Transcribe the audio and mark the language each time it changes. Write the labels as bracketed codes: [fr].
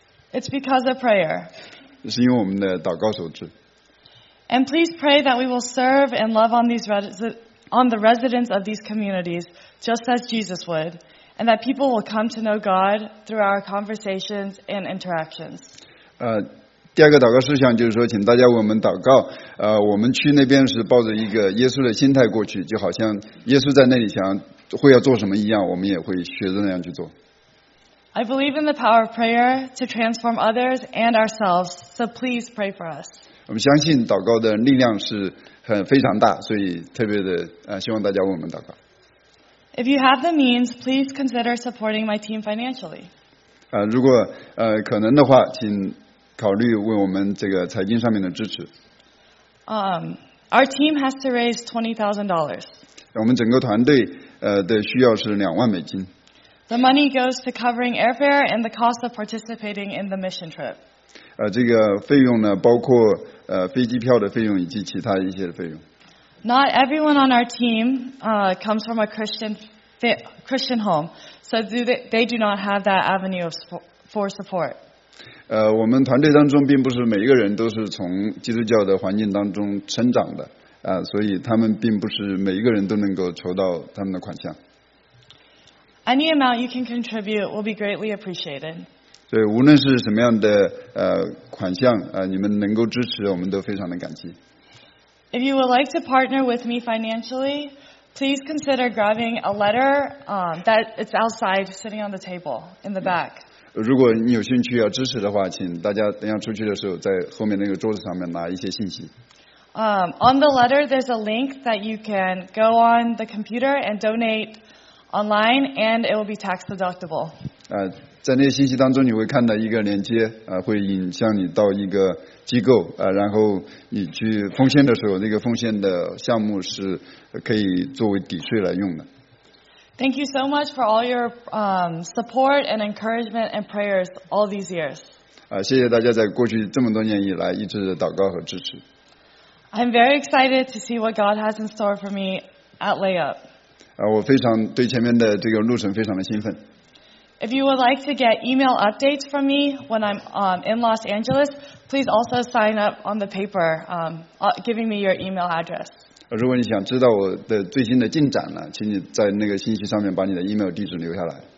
[en] It's because of prayer [zh] 是因为我们的祷告所致 [en] And please pray that we will serve and love on the residents of these communities just as Jesus would and that people will come to know God through our conversations and interactions [zh] 第二个祷告事项就是说请大家为我们祷告，我们去那边是抱着一个耶稣的心态过去，就好像耶稣在那里想会要做什么一样，我们也会学着那样去做。 [en] I believe in the power of prayer to transform others and ourselves, so please pray for us. [zh] 我们相信祷告的力量是很非常大，所以特别的希望大家为我们祷告。 [en] If you have the means, please consider supporting my team financially. [zh] 如果可能的话，请考虑为我们这个财经上面的支持。 [en] Our team has to raise $20,000. [zh] 我们整个团队的需要是$20,000。 [en] The money goes to covering airfare and the cost of participating in the mission trip. [zh] 这个费用呢，包括飞机票的费用以及其他一些的费用。 [en] Not everyone on our team comes from a Christian home, so they do not have that avenue for support. [zh] 我们团队当中并不是每一个人都是从基督教的环境当中成长的，所以他们并不是每一个人都能够筹到他们的款项。 [en] Any amount you can contribute will be greatly appreciated. [zh] 对，无论是什么样的款项，你们能够支持，我们都非常的感激。 [en] If you would like to partner with me financially, please consider grabbing a letter that it's outside sitting on the table in the back. [zh] 如果你有兴趣要支持的话，请大家等一下出去的时候在后面那个桌子上面拿一些信息。 [en] On the letter, there's a link that you can go on the computer and donate online, and it will be tax deductible. [zh] 在那些信息当中你会看到一个连接，会引向你到一个机构，然后你去奉献的时候，那个奉献的项目是可以作为抵税来用的。 [en] Thank you so much for all your support and encouragement and prayers all these years. [zh] 谢谢大家在过去这么多年以来一直的祷告和支持。 [en] I'm very excited to see what God has in store for me at layup. [zh] 我非常对前面的这个路程非常的兴奋。 [en] If you would like to get email updates from me when I'm in Los Angeles, please also sign up on the paper, giving me your email address. [zh] 如果你想知道我的最新的进展呢，请你在那个信息上面把你的 email 地址留下来。